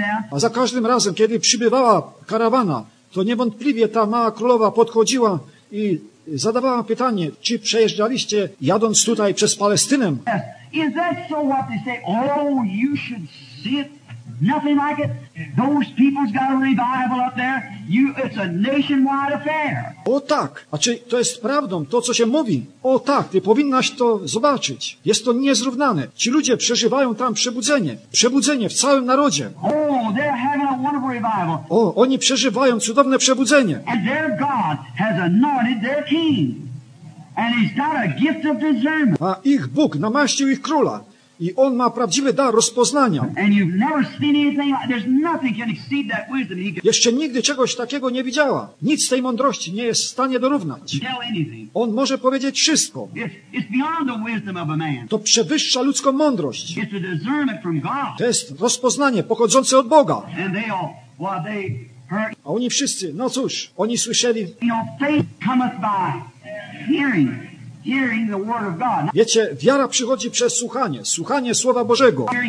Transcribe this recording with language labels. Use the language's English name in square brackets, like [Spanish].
[Polish] A za każdym razem, kiedy przybywała karawana, to niewątpliwie ta mała królowa podchodziła i zadawałam pytanie, czy przejeżdżaliście jadąc tutaj przez Palestynę? [English] Is that so what they say? Oh, you should see it. Nothing like it. Those people's got a revival up there. It's a nationwide affair. [Polish] O tak. A czy to jest prawdą, to co się mówi? O tak, ty powinnaś to zobaczyć. Jest to niezrównane. Ci ludzie przeżywają tam przebudzenie. Przebudzenie w całym narodzie. [English] Oh, they're having a wonderful revival. [Polish] O, oni przeżywają cudowne przebudzenie. [English] And their God has anointed their king. And he's got a gift of discernment. [Polish] A ich Bóg namaścił ich króla. I on ma prawdziwy dar rozpoznania. [English] And you've never seen anything like, there's nothing can exceed that wisdom. [Polish] Jeszcze nigdy czegoś takiego nie widziała. Nic tej mądrości nie jest w stanie dorównać. On może powiedzieć wszystko. [English] It's beyond the wisdom of a man. [Polish] To przewyższa ludzką mądrość. [English] It's a discernment from God. [Polish] To jest rozpoznanie pochodzące od Boga. [English] And they all, well, they heard. [Polish] A oni wszyscy, no cóż, oni słyszeli. [English] You know, faith cometh by hearing. Hearing the word of God. [Polish] Wiecie, wiara przychodzi przez słuchanie, słuchanie Słowa Bożego.